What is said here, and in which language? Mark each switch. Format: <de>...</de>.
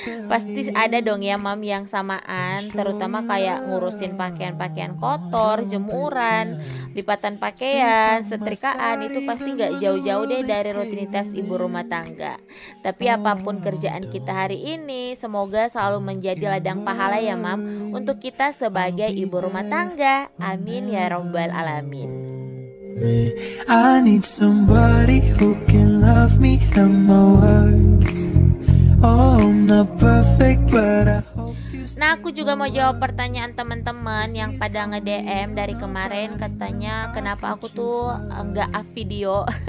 <id>Pasti ada dong ya Mam yang samaan, terutama kayak ngurusin pakaian-pakaian kotor, jemuran, lipatan pakaian, setrikaan. Itu pasti gak jauh-jauh deh dari rutinitas ibu rumah tangga. Tapi apapun kerjaan kita hari ini, semoga selalu menjadi ladang pahala ya Mam untuk kita sebagai ibu rumah tangga. Amin ya Rabbal Alamin.</id> <en>I need somebody who can love me and my worst. Oh, I'm not perfect, but I hope.</en> <id>Nah, aku juga mau jawab pertanyaan teman-teman yang pada nge-DM dari kemarin, katanya kenapa aku tuh enggak up video.</id>